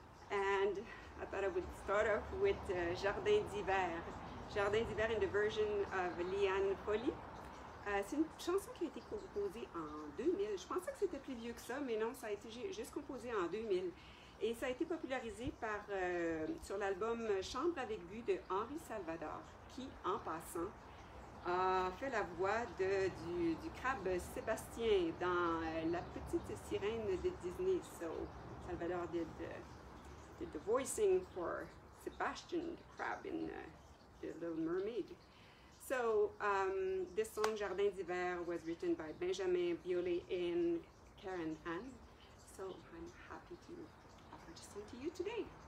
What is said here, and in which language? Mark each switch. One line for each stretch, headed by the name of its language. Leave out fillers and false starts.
English: And I thought I would start off with Jardin d'hiver. Jardin d'hiver in the version of Liane Folie.
French: C'est une chanson qui a été composée en 2000. Je pensais que c'était plus vieux que ça, mais non, ça a été juste composé en 2000. Et ça a été popularisé par, sur l'album Chambre avec vue de Henri Salvador, qui, en passant, a fait la voix du crabe Sébastien dans La petite sirène de Disney.
English: So, Salvador did the voicing for Sebastian the crab in The Little Mermaid. So, this song, Jardin d'hiver, was written by Benjamin Biolay and Karen Han. So, I'm happy to offer this song to you today.